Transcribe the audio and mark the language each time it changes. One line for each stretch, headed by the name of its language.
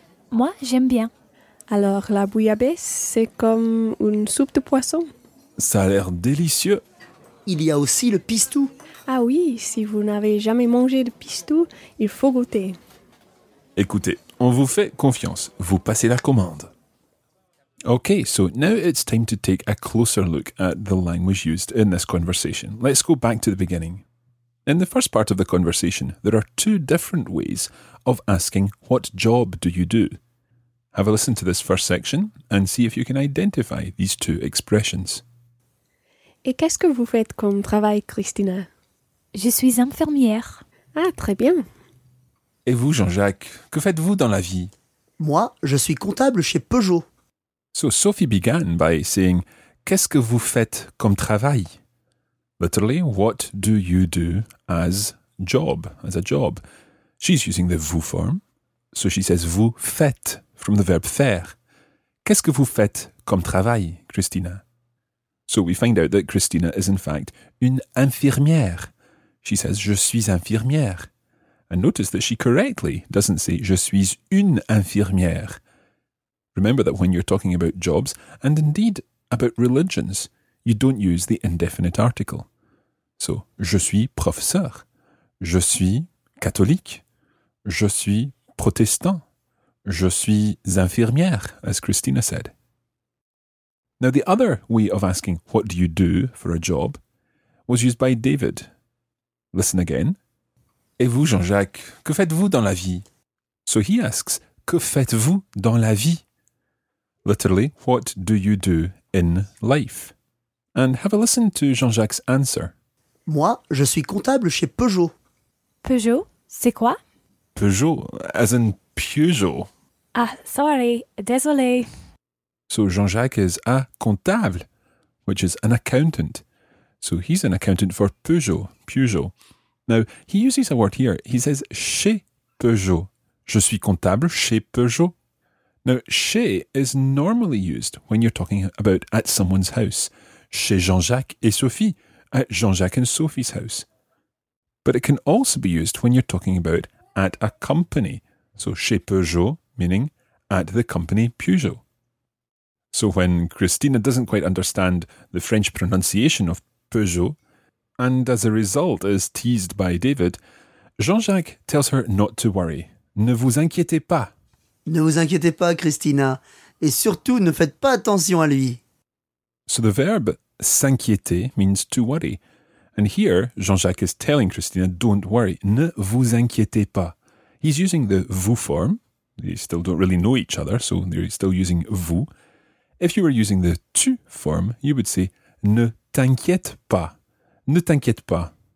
French: Moi, j'aime bien. Alors, la bouillabaisse, c'est comme une soupe de poisson. Ça a l'air délicieux. Il y a aussi le pistou. Ah oui, si vous n'avez jamais mangé de pistou, il faut goûter. Écoutez, on vous fait confiance. Vous passez la commande.
English: Okay, so now it's time to take a closer look at the language used in this conversation. Let's go back to the beginning. In the first part of the conversation, there are two different ways of asking what job do you do? Have a listen to this first section and see if you can identify these two expressions.
French: Et qu'est-ce que vous faites comme travail, Christina? Je suis infirmière. Ah, très bien. Et vous, Jean-Jacques, que faites-vous dans la vie? Moi, je suis comptable chez Peugeot.
English: So Sophie began by saying,
French: qu'est-ce que vous faites comme travail?
English: Literally, what do you do as a job? She's using the vous form. So she says,
French: vous faites.
English: From the verb faire.
French: Qu'est-ce que vous faites comme travail, Christina?
English: So we find out that Christina is in fact
French: une infirmière.
English: She says,
French: je suis infirmière.
English: And notice that she correctly doesn't say,
French: je suis une infirmière.
English: Remember that when you're talking about jobs, and indeed about religions, you don't use the indefinite article.
French: So, je suis professeur. Je suis catholique. Je suis protestant. Je suis infirmière,
English: as Christina said. Now, the other way of asking what do you do for a job was used by David. Listen again.
French: Et vous, Jean-Jacques, que faites-vous dans la vie?
English: So he asks,
French: que faites-vous dans la vie?
English: Literally, what do you do in life? And have a listen to Jean-Jacques' answer.
French: Moi, je suis comptable chez Peugeot. Peugeot, c'est quoi?
English: Peugeot, as in Peugeot. Ah, sorry, désolé. So Jean-Jacques is a comptable, which is an accountant. So he's an accountant for Peugeot, Peugeot. Now, he uses a word here. He says chez Peugeot.
French: Je suis comptable chez Peugeot.
English: Now, chez is normally used when you're talking about at someone's house. Chez Jean-Jacques et Sophie, at Jean-Jacques and Sophie's house. But it can also be used when you're talking about at a company. So chez Peugeot, meaning at the company Peugeot. So when Christina doesn't quite understand the French pronunciation of Peugeot, and as a result is teased by David, Jean-Jacques tells her not to worry.
French: Ne vous inquiétez pas. Ne vous inquiétez pas, Christina. Et surtout, ne faites pas attention à lui.
English: So the verb s'inquiéter means to worry. And here, Jean-Jacques is telling Christina, don't worry.
French: Ne vous inquiétez pas.
English: He's using the vous form. They still don't really know each other, so they're still using vous. If you were using the tu form, you would say
French: ne t'inquiète pas. Ne t'inquiète pas.